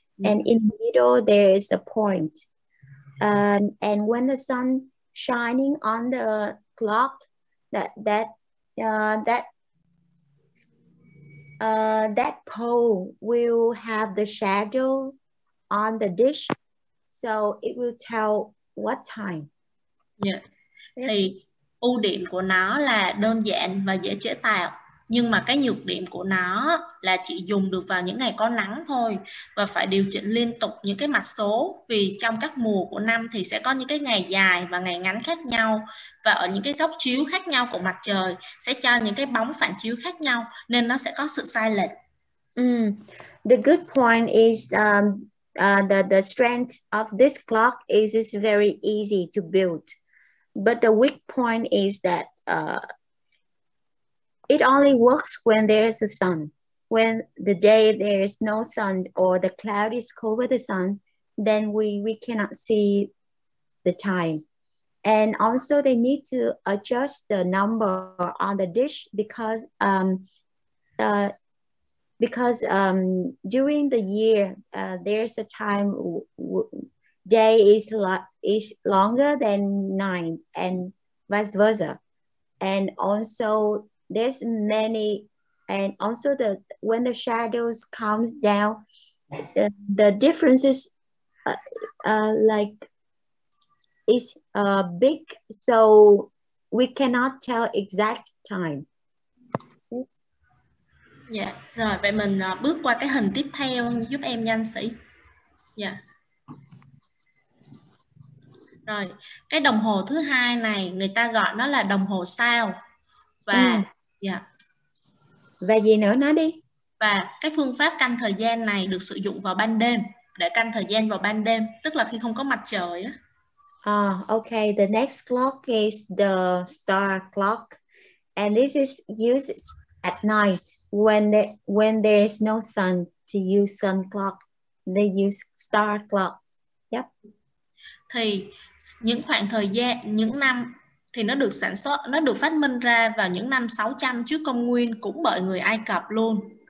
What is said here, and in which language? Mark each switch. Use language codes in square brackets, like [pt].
[en] And in the middle there is a point. And when the sun shining on the clock that pole will have the shadow on the dish, so it will tell what time. Yeah. Thì [vi] ưu điểm của nó là đơn giản và dễ chế tạo, nhưng mà cái nhược điểm của nó là chỉ dùng được vào những ngày có nắng thôi và phải điều chỉnh liên tục những cái mặt số, vì trong các mùa của năm thì sẽ có những cái ngày dài và ngày ngắn khác nhau, và ở những cái góc chiếu khác nhau của mặt trời sẽ cho những cái bóng phản chiếu khác nhau nên nó sẽ có sự sai lệch. [en] The good point is the strength of this clock is very easy to build, but the weak point is that it only works when there is a sun. When the day there is no sun or the cloud is cover the sun, then we cannot see the time. And also they need to adjust the number on the dish because during the year there's a time day is longer than night and vice versa. And also there's many, and also the when the shadows comes down, the difference is big, so we cannot tell exact time. Dạ, yeah. [vi] Rồi vậy mình bước qua cái hình tiếp theo giúp em nhanh sĩ. Dạ. Yeah. Rồi, cái đồng hồ thứ hai này người ta gọi nó là đồng hồ sao. Và dạ. Và gì nữa nói đi. Và cái phương pháp canh thời gian này được sử dụng vào ban đêm, để canh thời gian vào ban đêm, tức là khi không có mặt trời á. [en] Okay, the next clock is the star clock and this is used at night, when there is no sun to use sun clock, they use star clocks. Yep. [vi] Thì những khoảng thời gian, những năm thì nó được sản xuất, nó được phát minh ra vào những năm 600 trước công nguyên cũng bởi người Ai Cập luôn.